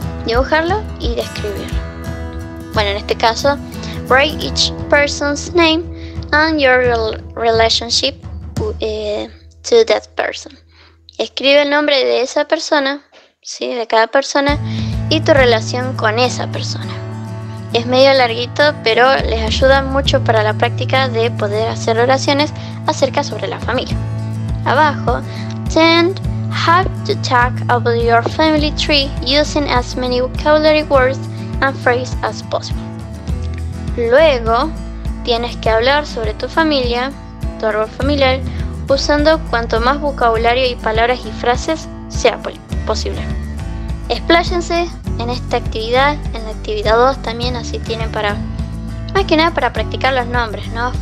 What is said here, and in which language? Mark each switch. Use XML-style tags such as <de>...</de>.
<en>Dibujarlo y describirlo. Bueno, en este caso, write each person's name and your relationship to that person.</en> <es>Escribe el nombre de esa persona, ¿sí? De cada persona y tu relación con esa persona. Es medio larguito, pero les ayuda mucho para la práctica de poder hacer oraciones acerca sobre la familia.</es> <en>Abajo, then have to talk about your family tree using as many vocabulary words and phrases as possible. Luego,</en> <es>tienes que hablar sobre tu familia, tu árbol familiar, usando cuanto más vocabulario y palabras y frases sea posible. Expláyense en esta actividad, en la actividad 2 también, así tienen para, más que nada para practicar los nombres, ¿no?</es>